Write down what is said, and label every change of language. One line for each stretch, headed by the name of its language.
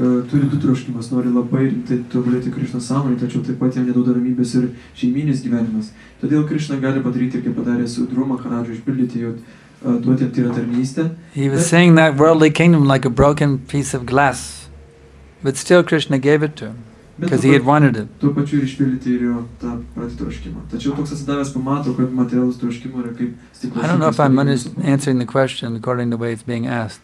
Lithuanian: Turi du troškimus, nori labai rimtai tobulėti Krishna sąmonį, tačiau taip pat jam neduoda ramybės ir šeiminis gyvenimas. Todėl Krishna gali padaryti, kaip padarė su Dhruva Maharaju, išpildyti jo duoti jam tyrą tarnystę.
English: He was saying that worldly kingdom like a broken piece of glass, but still Krishna gave it to him, because he had wanted it.
Lithuanian: Tuo pačiu ir išpildyti ir jo tą patį troškimą. Tačiau toks atsidavęs pamato, kad materialus troškimas yra kaip stiklas.
English: I don't know if I'm answering the question according to the way it's being asked.